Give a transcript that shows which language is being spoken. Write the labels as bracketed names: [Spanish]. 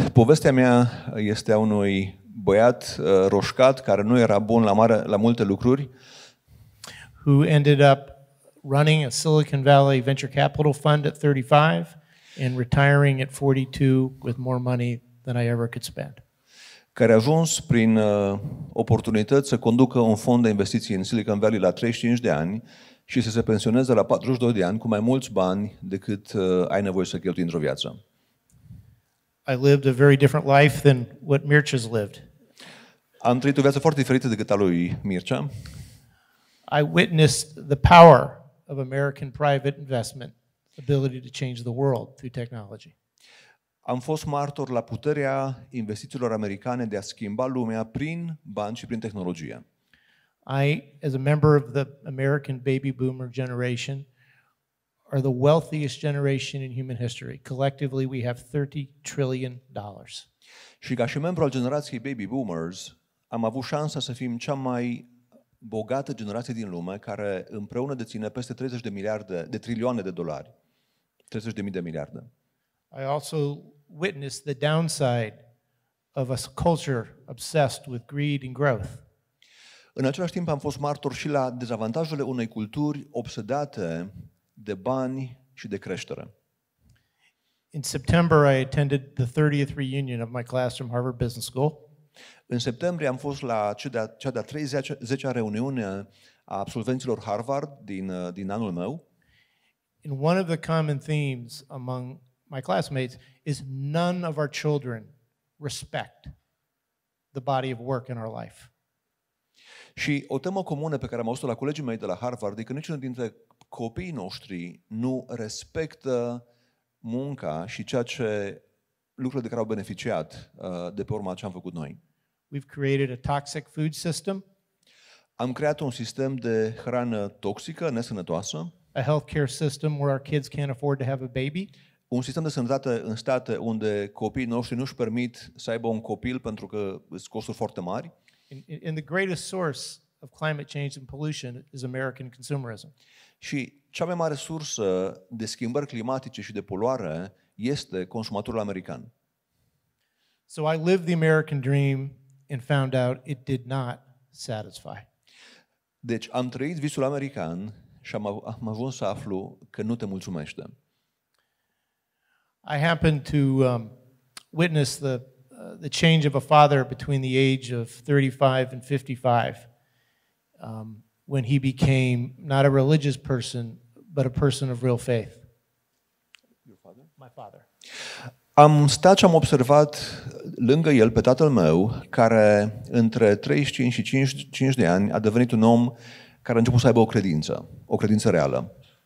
[Romanian] Povestea mea este a unui băiat roșcat care nu era bun la multe lucruri. [English] Who ended up running a Silicon Valley venture capital fund at 35 and retiring at 42 with more money than I ever could spend. [Romanian] Care a ajuns prin oportunități să conducă un fond de investiții în Silicon Valley la 35 de ani și să se pensioneze la 42 de ani cu mai mulți bani decât ai nevoie să cheltui într-o viață. [English] I lived a very different life than what Mircea's lived. [Romanian] Am trăit o viață foarte diferită decât a lui Mircea. [English] I witnessed the power of American private investment, ability to change the world through technology. [Romanian] Am fost martor la puterea investițiilor americane de a schimba lumea prin bani și prin tehnologie. [English] I, as a member of the American baby boomer generation, are the wealthiest generation in human history. Collectively, we have $30 trillion. [Romanian] Și ca și membru al generației baby boomers, am avut șansa să fim cea mai bogată generație din lume, care împreună deține peste 30 de miliarde de trilioane de dolari. 30 de mii de miliarde. [English] I also witnessed the downside of a culture obsessed with greed and growth. [Romanian] În același timp am fost martor și la dezavantajele unei culturi obsedate de bani și de creștere. [English] In September I attended the 30th reunion of my class from Harvard Business School. [Romanian] În septembrie am fost la cea de-a 30-a reuniune a absolvenților Harvard din anul meu. [English] In one of the common themes among my classmates is none of our children respect the body of work in our life. [Romanian] Și o temă comună pe care am auzit-o la colegii mei de la Harvard e că niciunul dintre copiii noștri nu respectă munca și ceea ce lucrurile de care au beneficiat de pe urma ce am făcut noi. [English] We've created a toxic food system. [Romanian] Am creat un sistem de hrană toxică, nesănătoasă. [English] A healthcare system where our kids can't afford to have a baby. [Romanian] un sistem de sănătate în state unde copiii noștri nu își permit să aibă un copil pentru că sunt costuri foarte mari. [English] In the greatest source of climate change and pollution is American consumerism. [Romanian] Și cea mai mare sursă de schimbări climatice și de poluare este consumatorul american. [English] So I lived the American dream and found out it did not satisfy. [Romanian] Deci am trăit visul american și am ajuns să aflu că nu te mulțumește. [English] I happened to witness the change of a father between the age of 35 and 55 when he became not a religious person but a person of real faith. Your father? My father. [Romanian] Am stat și am observat lângă el pe tatăl meu care între 35 și 55 de ani a devenit un om care a început să aibă o credință reală.